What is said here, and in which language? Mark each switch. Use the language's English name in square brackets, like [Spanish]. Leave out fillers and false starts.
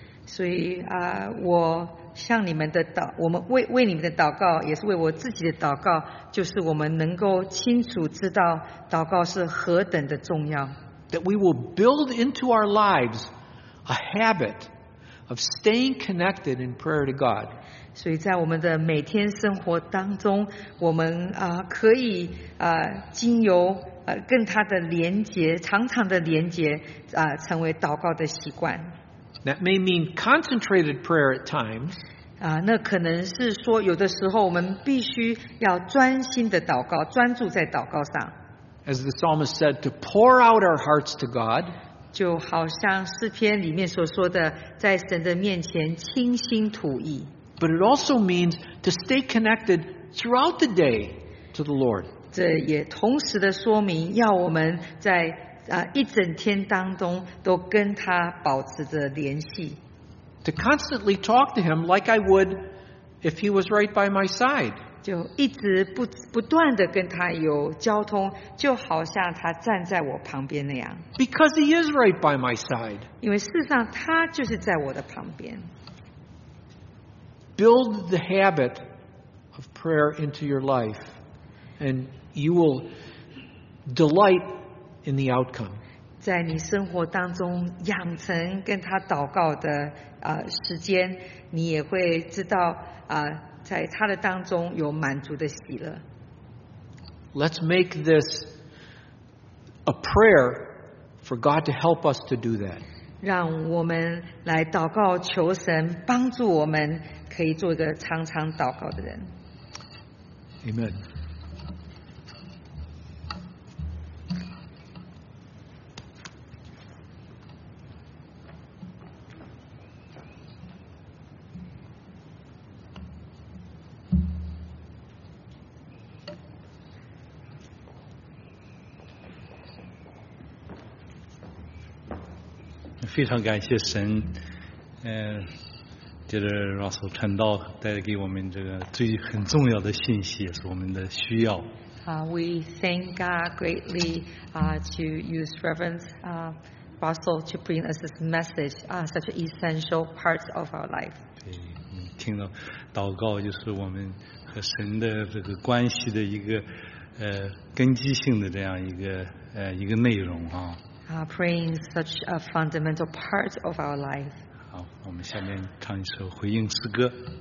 [Chinese] 所以我向你们的祷，我们为你们的祷告，也是为我自己的祷告，就是我们能够清楚知道祷告是何等的重要。 [English] That we will build into our lives a habit of staying connected in prayer to God. [Chinese] 所以在我们的每天生活当中，我们可以经由跟他的连结，常常的连结成为祷告的习惯。 [English] That may mean concentrated prayer at times. [Chinese] 那可能是说有的时候我们必须要专心的祷告，专注在祷告上。 [English] As the psalmist said, to pour out our hearts to God. [Chinese] 就好像诗篇里面所说的，在神的面前倾心吐意。 [English] But it also means to stay connected throughout the day to the Lord. [Chinese] 这也同时的说明，要我们在一整天当中都跟他保持着联系。 [English] To constantly talk to him like I would if he was right by my side. [Chinese] 就一直不断的跟他有交通，就好像他站在我旁边那样。 [English] Because he is right by my side. [Chinese] 因为事实上他就是在我的旁边。 [English] Build the habit of prayer into your life, and you will delight in the outcome. [Chinese] 在你生活当中养成跟他祷告的时间，你也会知道在他的当中有满足的喜乐。 [English] Let's make this a prayer for God to help us to do that. [Chinese] 让我们来祷告，求神帮助我们。可以做一个常常祷告的人。 [English] Amen. I'm very grateful to God. [Chinese] 接着 Russell 传道带给我们这个最很重要的信息，也是我们的需要。 [English] We thank God greatly to use Reverend Russell to bring us this message, such an essential part of our life. [Chinese] 听到祷告就是我们和神的这个关系的一个根基性的这样一个内容啊。 [English] Praying is such a fundamental part of our life. [Chinese] 好，我们下面唱一首回应诗歌。